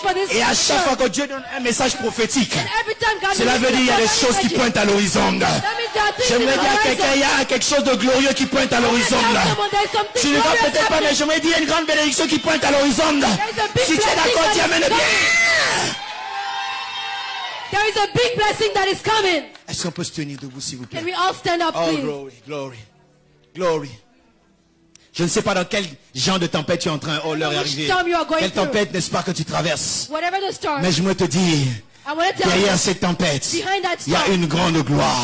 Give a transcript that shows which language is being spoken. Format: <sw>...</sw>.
<fr>Et à chaque fois que Dieu donne un message prophétique, cela veut dire qu'il y a des choses qui pointent à l'horizon. J'aimerais dire à quelqu'un, il y a quelque chose de glorieux qui pointe à l'horizon. Tu ne vas peut-être pas, mais j'aimerais dire une grande bénédiction qui pointe à l'horizon. Si tu es d'accord, tu amènes bien.</fr> <en>There is a big blessing that is coming.</en> <fr>Est-ce qu'on peut se tenir debout, s'il vous plaît?</fr> <en>Can we all stand up, oh, please? Glory, glory. Glory.</en> <fr>Je ne sais pas dans quel genre de tempête tu es en train de leur arriver. Quelle tempête n'est-ce pas que tu traverses?</fr> <en>Whatever the storm.</en> <fr>Mais je me te dis, derrière cette tempête, il y a une grande gloire.</fr>